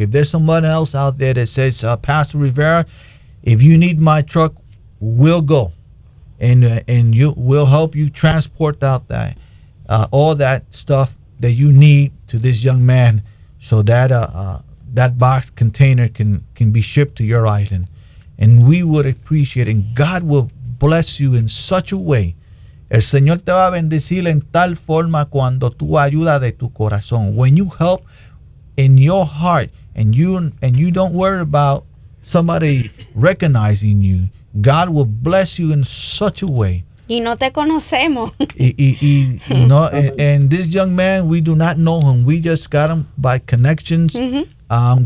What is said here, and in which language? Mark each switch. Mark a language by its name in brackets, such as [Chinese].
[English] If there's someone else out there that says, Pastor Rivera, if you need my truck, we'll go, and you will help you transport out that all that stuff that you need to this young man, so that that box container can be shipped to your island. And we would appreciate it. And God will bless you in such a way. [Spanish] El Señor te va a bendecir en tal forma cuando tú ayudas de tu corazón. [English] When you help in your heart and you don't worry about somebody recognizing you, God will bless you in such a way. [Spanish] Y no te conocemos. [English] And this young man, we do not know him. We just got him by connections. Mm-hmm.